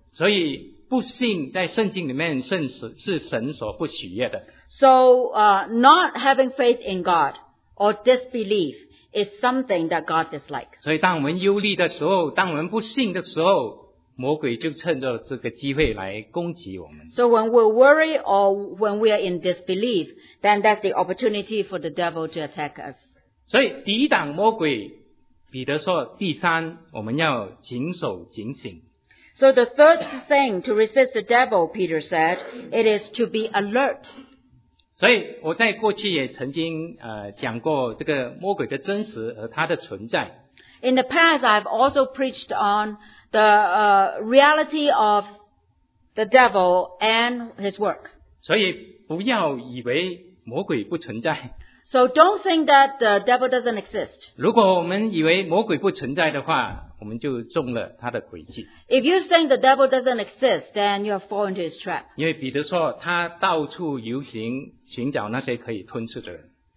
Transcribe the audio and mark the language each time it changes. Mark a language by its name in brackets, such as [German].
[Chinese] 所以不信在圣经里面是神所不喜悦的。 [English] So, not having faith in God or disbelief. Is something that God dislikes. [Chinese] 所以当我们忧虑的时候，当我们不信的时候，魔鬼就趁着这个机会来攻击我们。 [English] So when we worry or when we are in disbelief, then that's the opportunity for the devil to attack us. [Chinese] 所以抵挡魔鬼，彼得说第三，我们要谨守警醒。 [English] So the third thing to resist the devil, Peter said, it is to be alert. [Chinese] 所以我在过去也曾经讲过这个魔鬼的真实和它的存在。 [English] In the past, I've also preached on the reality of the devil and his work. [Chinese] 所以不要以为魔鬼不存在。 [English] So don't think that the devil doesn't exist. [Chinese] 如果我们以为魔鬼不存在的话，我们就中了他的诡计。 [English] If you think the devil doesn't exist, then you have fallen into his trap. [Chinese] 因为彼得说他到处游行，寻找那些可以吞噬的人。